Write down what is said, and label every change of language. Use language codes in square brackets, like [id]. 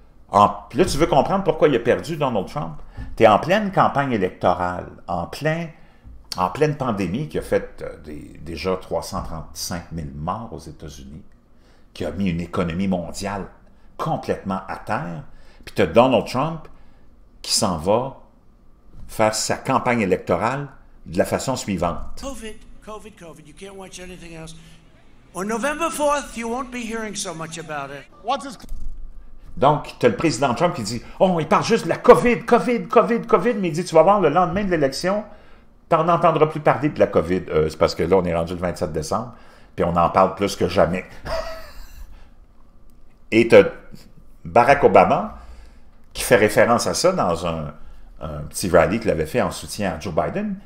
[fr] Là, tu veux comprendre pourquoi il a perdu Donald Trump? Tu es en pleine campagne électorale, en pleine pandémie qui a fait déjà 335 000 morts aux États-Unis, qui a mis une économie mondiale complètement à terre. Puis tu as Donald Trump qui s'en va faire sa campagne électorale de la façon suivante. [en] COVID, you can't watch anything else. On November 4th, you won't be hearing so much about it. [fr] Donc, tu as le président Trump qui dit, oh, il parle juste de la COVID, mais il dit, tu vas voir le lendemain de l'élection, tu n'en entendras plus parler de la COVID. C'est parce que là, on est rendu le 27 décembre, puis on en parle plus que jamais. Et tu as Barack Obama qui fait référence à ça dans un petit rallye qu'il avait fait en soutien à Joe Biden.